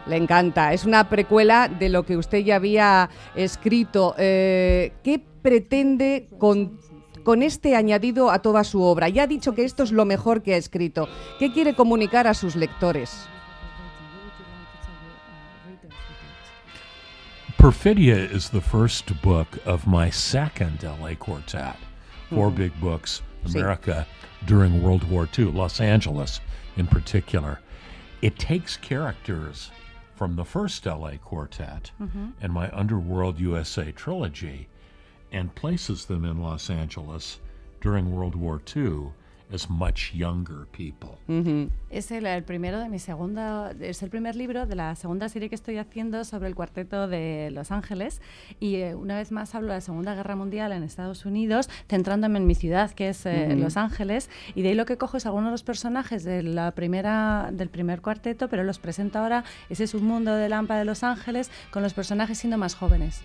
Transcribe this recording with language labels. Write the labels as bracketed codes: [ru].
[es] Le encanta. Es una precuela de lo que usted ya había escrito. ¿Qué pretende con este añadido a toda su obra? Ya ha dicho que esto es lo mejor que ha escrito. ¿Qué quiere comunicar a sus lectores? [en] Perfidia is the first book of my second LA quartet, four big books, America, during World War II, Los Angeles in particular. It takes characters from the first LA quartet and my Underworld USA trilogy and places them in Los Angeles during World War II. As much younger people. [es] Es el primero de mi segunda, es el primer libro de la segunda serie que estoy haciendo sobre el Cuarteto de Los Ángeles y una vez más hablo de la Segunda Guerra Mundial en Estados Unidos, centrándome en mi ciudad que es Los Ángeles, y de ahí lo que cojo es algunos de los personajes de la primera, del primer cuarteto, pero los presento ahora, ese es un mundo de Lampa de Los Ángeles con los personajes siendo más jóvenes.